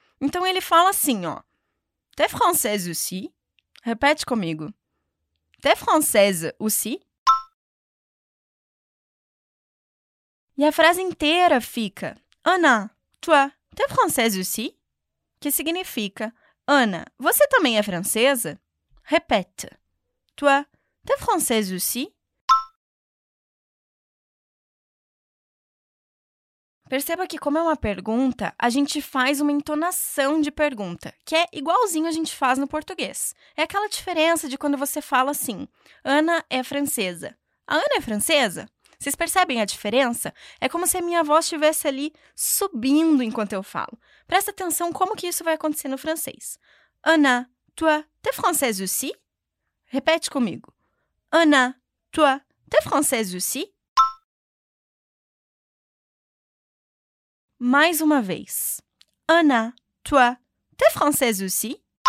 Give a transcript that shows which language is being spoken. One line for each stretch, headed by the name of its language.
Portuguese: Então, ele fala assim, ó.
French: Tu es française aussi?
Portuguese: Repete comigo.
French: T'es française aussi?
Portuguese: E a frase inteira fica Ana,
French: toi, t'es française aussi?
Portuguese: Que significa Ana, você também é francesa? Repete.
French: Toi, t'es française aussi?
Portuguese: Perceba que, como é uma pergunta, a gente faz uma entonação de pergunta, que é igualzinho a gente faz no português. É aquela diferença de quando você fala assim, Ana é francesa. A Ana é francesa? Vocês percebem a diferença? É como se a minha voz estivesse ali subindo enquanto eu falo. Presta atenção como que isso vai acontecer no francês.
French: Ana, toi, t'es française aussi?
Portuguese: Repete comigo.
French: Ana, toi, t'es française aussi?
Portuguese: Mais uma vez.
French: Ana, toi, t'es française aussi?